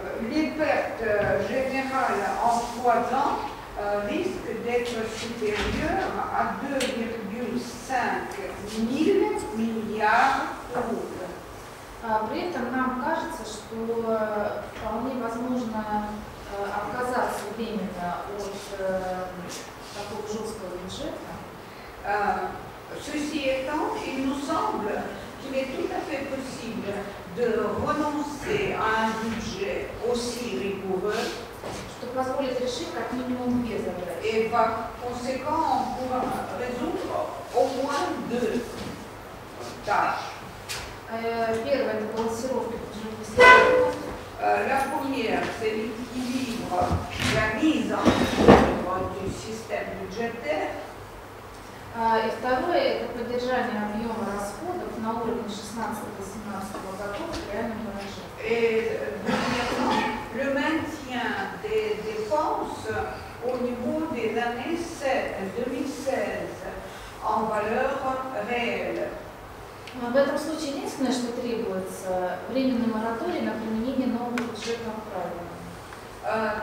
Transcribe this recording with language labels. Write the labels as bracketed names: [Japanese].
[French] Les pertes générales en 3 ans risquent d'être supérieures à 2,5 milliards d'euros. [Russian] При этом нам кажется, что вполне возможно отказаться временно от такого жесткого бюджета. [French] Ceci étant, il nous semble qu'il est tout à fait possible de renoncer à un budget aussi rigoureux, [Russian] что позволит решить как минимум две задачи. [French] Et par conséquent, on pourra résoudre au moins deux tâches. [Russian] Первое, это балансировка бюджетных средств. [French] La première, c'est l'équilibre, la mise en œuvre du système budgétaire. [Russian] И второе, это поддержание объема расходов на уровне 16-18 годов в реальном выражении. [French] Deuxièmement, le maintien des dépenses au niveau des années 2016 en valeur réelle. [Russian] В этом случае единственное, что требуется, временный мораторий на применение нового бюджетного правила.